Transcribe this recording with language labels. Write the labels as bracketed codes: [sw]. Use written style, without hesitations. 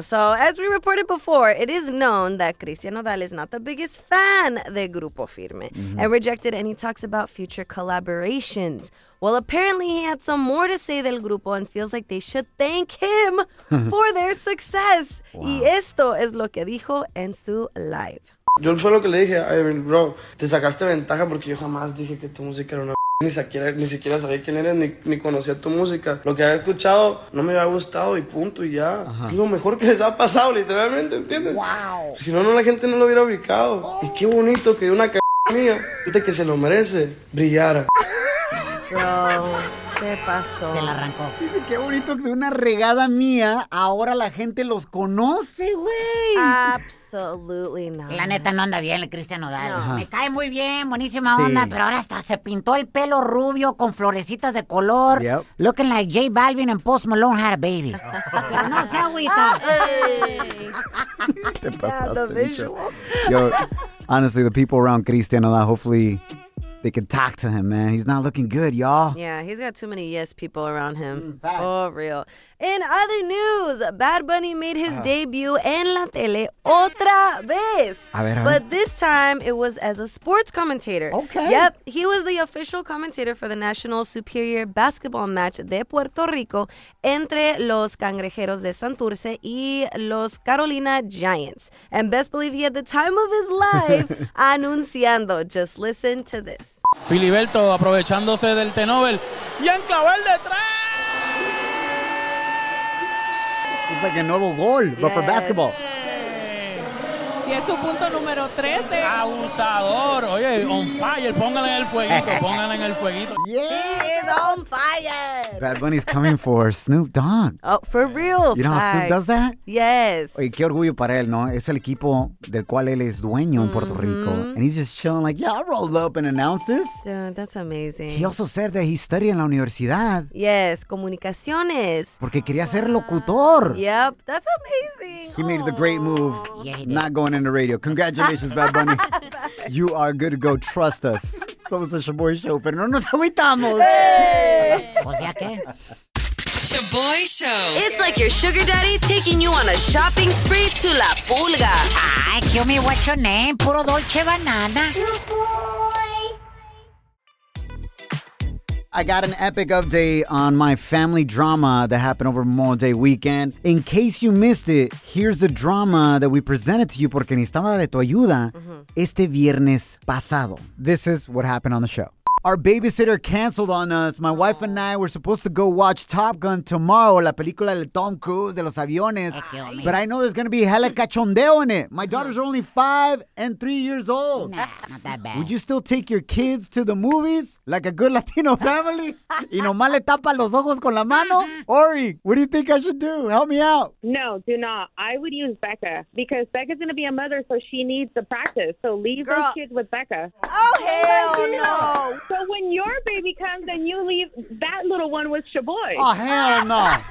[en] So, as we reported before, it is known that Cristian Nodal is not the biggest fan of Grupo Firme and rejected any talks about future collaborations. Well, apparently he had some more to say [es] del grupo [en] and feels like they should thank him for their success. Wow. [es] Y esto es lo que dijo en su live. Yo fue lo que le dije, bro, te sacaste ventaja porque yo jamás dije que tu música era una ni siquiera sabía quién eres, ni conocía tu música. Lo que había escuchado no me había gustado y punto y ya. Ajá. Es lo mejor que les ha pasado, literalmente, ¿entiendes? [en] Wow. [es] Si no, la gente no lo hubiera ubicado. Y qué bonito que una mía, gente que se lo merece, brillara. Bro, ¿qué pasó? Se la arrancó. Dice, qué bonito que de una regada mía, ahora la gente los conoce, güey. [en] Absolutely not. [es] La neta no anda bien el Cristian Nodal. Me cae muy bien, buenísima onda, pero ahora hasta se pintó el pelo rubio con florecitas de color. [en] Yep. Looking like J Balvin and Post Malone had a baby. [es] Pero no sea agüita. ¿Qué pasaste, bicho? [en] Yo, honestly, the people around Cristian Nodal, hopefully they can talk to him, man. He's not looking good, y'all. Yeah, he's got too many yes people around him. For real. In other news, Bad Bunny made his debut [es] en la tele otra vez. A ver. [en] But this time, it was as a sports commentator. Okay. Yep, he was the official commentator for the National Superior Basketball Match [es] de Puerto Rico entre los Cangrejeros de Santurce y los Carolina Giants. [en] And best believe he had the time of his life [es] anunciando. [en] Just listen to this. [es] Filiberto aprovechándose del tenover y enclavó el de tres. Es [en] like a [es] nuevo gol, [en] but for basketball. [es] Y es su punto número 13. Abusador. Oye, [en] on fire. [es] Póngale en el fueguito. Póngale en el fueguito. [en] Yeah, he's on fire. Bad Bunny's coming for Snoop Dogg. Oh, for real. You know how Snoop does that? Yes. [es] Oye, qué orgullo para él, ¿no? Es el equipo del cual él es dueño en Puerto Rico. [en] And he's just chilling like, yeah, I rolled up and announced this. Dude, that's amazing. He also said that he studied [es] en la universidad. Yes, comunicaciones. Porque quería ser locutor. [en] Yep, that's amazing. He made the great move. Yeah, he did. Not going in the radio. Congratulations, Bad Bunny. You are good to go. Trust us. [es] Somos el Shaboy Show, pero no nos agüitamos. [en] Hey! Shaboy Show. It's like your sugar daddy taking you on a shopping spree to La Pulga. Ay, kill me, what's your name? Puro dolce banana. I got an epic update on my family drama that happened over Memorial Day weekend. In case you missed it, here's the drama that we presented to you [es] porque necesitaba de tu ayuda este viernes pasado. [en] This is what happened on the show. Our babysitter canceled on us. My wife and I were supposed to go watch Top Gun tomorrow, [es] la película de Tom Cruise, de los aviones. [en] But I know there's going to be hella cachondeo in it. My daughters are only 5 and 3 years old. Nah, not that bad. Would you still take your kids to the movies like a good Latino family? [es] Y nomás le tapa los ojos con la mano? [en] Ori, what do you think I should do? Help me out. No, do not. I would use Becca because Becca's going to be a mother, so she needs the practice. So leave those kids with Becca. Oh, hell no. So when your baby comes and you leave that little one with Shaboy. Oh, hell no.